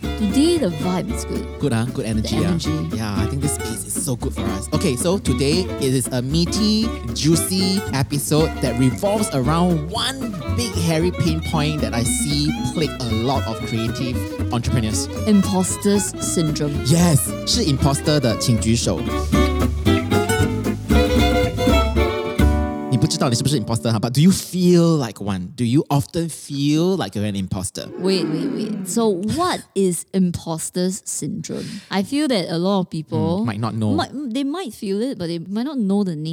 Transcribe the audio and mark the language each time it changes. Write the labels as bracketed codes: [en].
[en] Today, the vibe is good. Good, huh? Good energy. The energy. Yeah, I think this piece is so good for us. Okay, so today it is a meaty, juicy episode that revolves around one big hairy pain point that I see plague a lot of creative entrepreneurs. Imposter syndrome. Yes, [zh] 是 imposter 的请举手。你不知道你是不是 [en] imposter, huh? But do you feel like one? Do you often feel like you're an imposter? Wait. So what is imposter syndrome? I feel that a lot of people might not know. They might feel it, but they might not know the name.